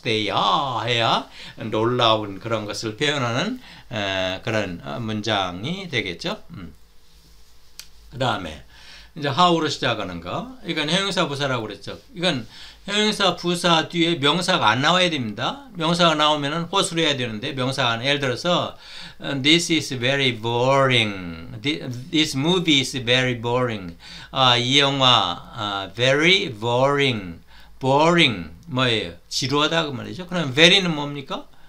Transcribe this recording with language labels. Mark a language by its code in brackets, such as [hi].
[ko] They are 해야 놀라운 그런 것을 표현하는 그런 문장이 되겠죠. 그 다음에 이제 how로 시작하는 거. 이건 형용사 부사라고 그랬죠. 이건 형용사 부사 뒤에 명사가 안 나와야 됩니다. 명사가 나오면은 what로 해야 되는데 명사가 예를 들어서 [en] This is very boring. This movie is very boring. [ko] 이 영화 very boring. Boring 뭐예요? 지루하다 그 말이죠. 그럼 very는 뭡니까?